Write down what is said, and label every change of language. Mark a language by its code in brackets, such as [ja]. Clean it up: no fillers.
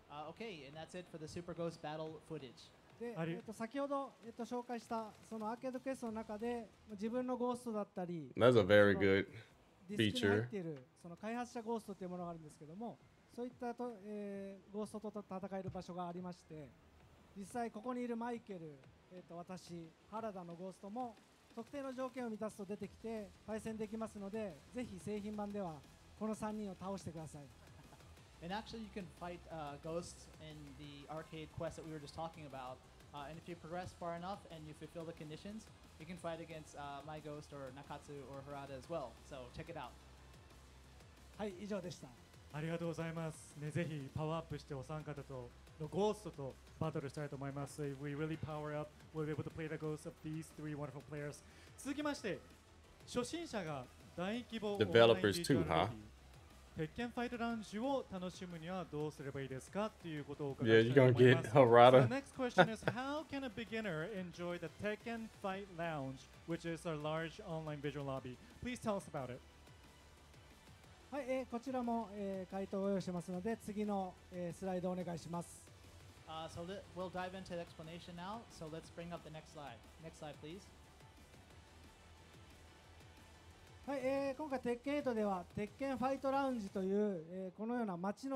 [en] Okay, and that's it for the Super Ghost Battle footage. [ja] で先ほど紹介したそのアーケードケースの中で自分のゴーストだったり、 [en] That's a very good feature. [ja] ディスクに入っているその開発者ゴーストというものがあるんですけども、そういったと、ゴーストと戦える場所がありまして、実際ここにいるマイケル、私、原田のゴーストも特定の条件を満たすと出てきて対戦できますので、ぜひ製品版ではこの3人を倒してください。 [en] And actually, you can fight ghosts in the arcade quest that we were just talking about. And if you progress far enough and you fulfill the conditions, you can fight against my ghost or Nakatsu or Harada as well. So check it out. [ja] はい、以上でした。ありがとうございます。ね、ぜひパワーアップしてお三方とのゴーストとバトルしたいと思います。 [en] If we really power up, we'll be able to play the ghosts of these three wonderful players. [ja] 続きまして、初心者が大規模 [en] Developers too, huh? [ja] 鉄拳ファイトランジを楽しむにはどうすればいいですかっていうことを伺いたいと思います。 [en] Yeah, you're gonna get Harada. Next question is, how can a beginner enjoy the Tekken Fight Lounge, which is a large online visual lobby? Please tell us about it. [ja] はい、こちらも、回答を用意しますので、次の、スライドお願いします。 [en] So we'll dive into the explanation now. So let's bring up the next slide. Next slide, please. [ja] はい、今回、鉄拳8では、鉄拳ファイトラウンジという、このような街の